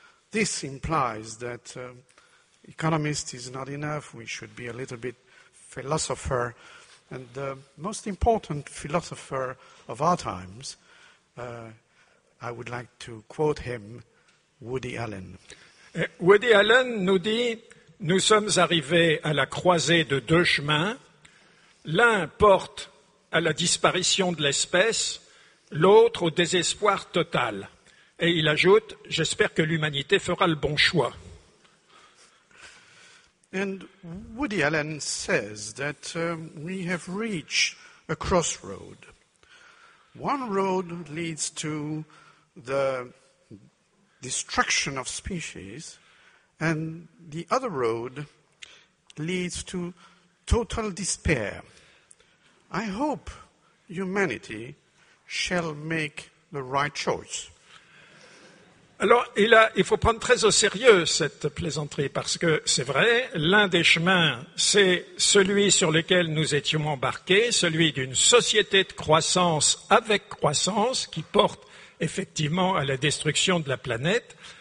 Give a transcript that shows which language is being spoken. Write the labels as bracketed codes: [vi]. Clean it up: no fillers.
[en] This implies that economist is not enough. We should be a little bit philosopher. And the most important philosopher of our times, I would like to quote him, Woody Allen. [fr] Woody Allen nous dit, nous sommes arrivés à la croisée de deux chemins. L'un porte à la disparition de l'espèce, l'autre au désespoir total. Et il ajoute, j'espère que l'humanité fera le bon choix. [en] And Woody Allen says that we have reached a crossroad. One road leads to the destruction of species, and the other road leads to total despair. I hope humanity shall make the right choice. [fr] Alors, il faut prendre très au sérieux cette plaisanterie, parce que c'est vrai, l'un des chemins, c'est celui sur lequel nous étions embarqués, celui d'une société de croissance avec croissance, qui porte effectivement à la destruction de la planète.